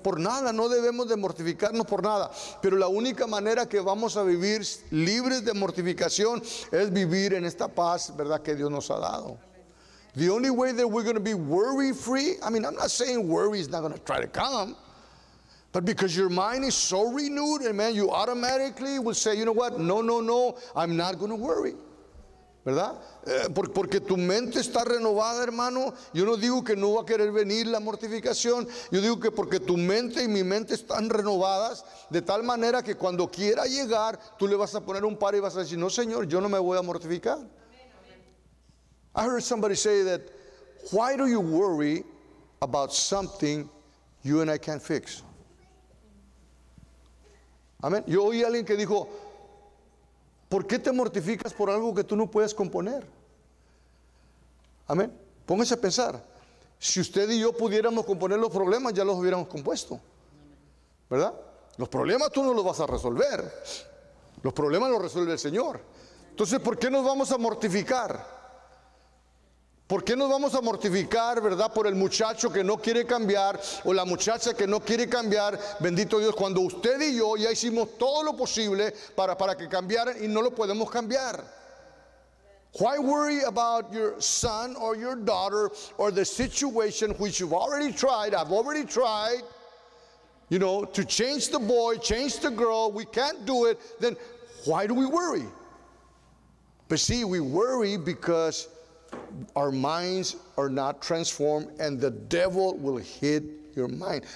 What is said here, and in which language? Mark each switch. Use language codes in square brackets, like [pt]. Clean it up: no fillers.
[es] Por nada, no debemos de mortificarnos por nada. Pero la única manera que vamos a vivir libres de mortificación es vivir en esta paz, ¿verdad?, que Dios nos ha dado. [en] The only way that we're going to be worry free, I mean, I'm not saying worry is not going to try to come. But because your mind is so renewed, amen, you automatically will say, you know what, no, I'm not going to worry. [es] ¿Verdad? Porque tu mente está renovada, hermano. Yo no digo que no va a querer venir la mortificación. Yo digo que porque tu mente y mi mente están renovadas, de tal manera que cuando quiera llegar, tú le vas a poner un par y vas a decir, no, Señor, yo no me voy a mortificar. [en] Amen, amen. I heard somebody say that, why do you worry about something you and I can't fix? [es] Amén. Yo oí a alguien que dijo, ¿por qué te mortificas por algo que tú no puedes componer? Amén. Póngase a pensar. Si usted y yo pudiéramos componer los problemas, ya los hubiéramos compuesto. ¿Verdad? Los problemas tú no los vas a resolver. Los problemas los resuelve el Señor. Entonces, ¿por qué nos vamos a mortificar? ¿Por qué nos vamos a mortificar, verdad, por el muchacho que no quiere cambiar o la muchacha que no quiere cambiar, bendito Dios, cuando usted y yo ya hicimos todo lo posible para que cambiaran y no lo podemos cambiar? [en] Why worry about your son or your daughter or the situation which you've already tried, I've already tried, you know, to change the boy, change the girl, we can't do it, then why do we worry? But see, we worry because our minds are not transformed, and the devil will hit your mind.